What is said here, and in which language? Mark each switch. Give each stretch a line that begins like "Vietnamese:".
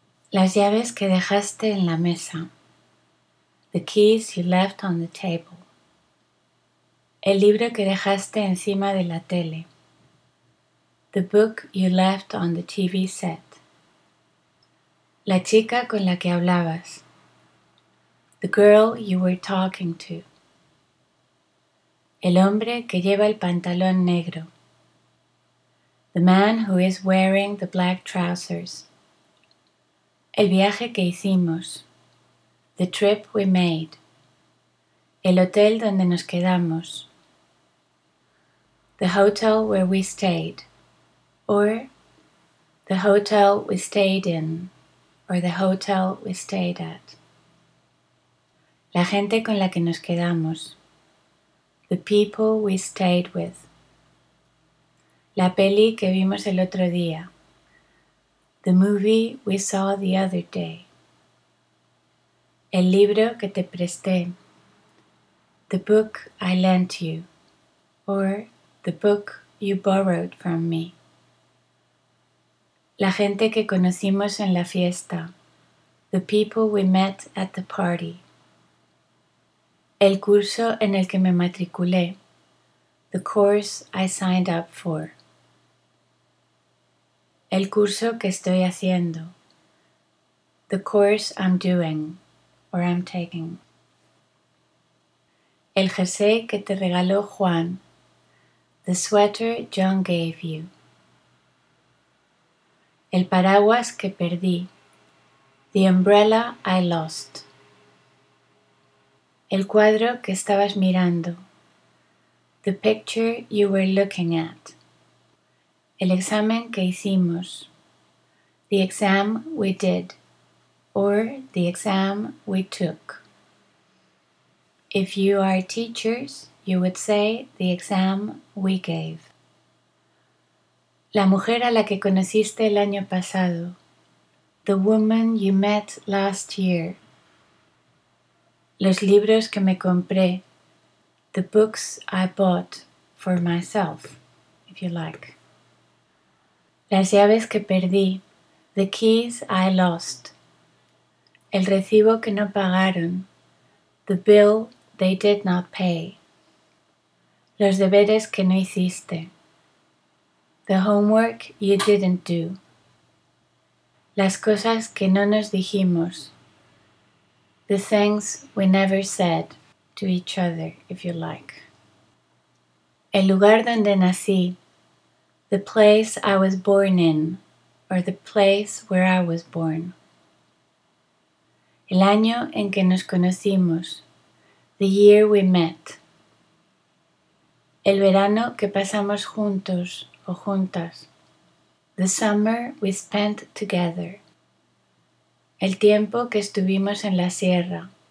Spanish: Las llaves que dejaste en la mesa.
English: The keys you left on the table.
Spanish: El libro que dejaste encima de la tele.
English: The book you left on the TV set.
Spanish: La chica con la que hablabas.
English: The girl you were talking to.
Spanish: El hombre que lleva el pantalón negro.
English: The man who is wearing the black trousers.
Spanish: El viaje que hicimos.
English: The trip we made.
Spanish: El hotel donde nos quedamos.
English: The hotel where we stayed. Or the hotel we stayed in. Or the hotel we stayed at.
Spanish: La gente con la que nos quedamos.
English: The people we stayed with.
Spanish: La peli que vimos el otro día.
English: The movie we saw the other day.
Spanish: El libro que te presté.
English: The book I lent you. Or the book you borrowed from me.
Spanish: La gente que conocimos en la fiesta.
English: The people we met at the party.
Spanish: El curso en el que me matriculé.
English: The course I signed up for.
Spanish: El curso que estoy haciendo.
English: The course I'm doing or I'm taking.
Spanish: El jersey que te regaló Juan.
English: The sweater John gave you.
Spanish: El paraguas que perdí.
English: The umbrella I lost.
Spanish: El cuadro que estabas mirando.
English: The picture you were looking at.
Spanish: El examen que hicimos.
English: The exam we did. Or the exam we took. If you are teachers, you would say the exam we gave.
Spanish: La mujer a la que conociste el año pasado.
English: The woman you met last year.
Spanish: Los libros que me compré,
English: the books I bought for myself, if you like.
Spanish: Las llaves que perdí,
English: the keys I lost.
Spanish: El recibo que no pagaron,
English: the bill they did not pay.
Spanish: Los deberes que no hiciste,
English: the homework you didn't do.
Spanish: Las cosas que no nos dijimos.
English: The things we never said to each other, if you like.
Spanish: El lugar donde nací.
English: The place I was born in, or the place where I was born.
Spanish: El año en que nos conocimos.
English: The year we met.
Spanish: El verano que pasamos juntos o juntas.
English: The summer we spent together.
Spanish: El tiempo que estuvimos en la sierra.